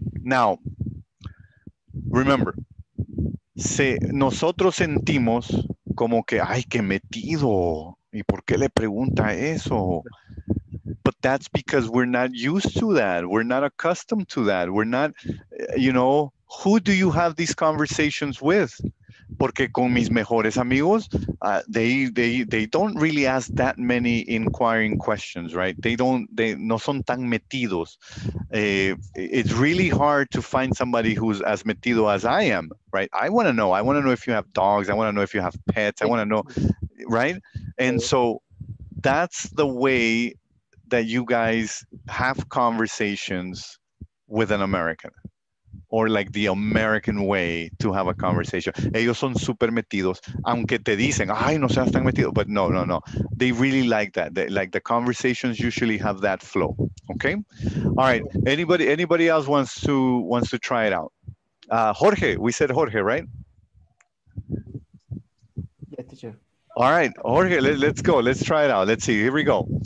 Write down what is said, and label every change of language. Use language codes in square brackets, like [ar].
[en] Now, remember, [es] nosotros sentimos como que, ay, qué metido. ¿Y por qué le pregunta eso? [en] But that's because we're not used to that. We're not accustomed to that. We're not, you know, who do you have these conversations with? [es] Porque con mis mejores amigos, [en] they don't really ask that many inquiring questions, right? [es] No son tan metidos. [en] It's really hard to find somebody who's as metido as I am, right? I want to know. I want to know if you have dogs. I want to know if you have pets. I want to know, right? And so that's the way that you guys have conversations with an American. Or like the American way to have a conversation. [es] Ellos son super metidos, aunque te dicen, ay, no seas tan metido. [en] But no. They really like that. They, like the conversations usually have that flow. Okay. All right. Anybody else wants to try it out? Jorge, we said Jorge, right? Yes, teacher. All right, Jorge, let's go. Let's try it out. Let's see. Here we go.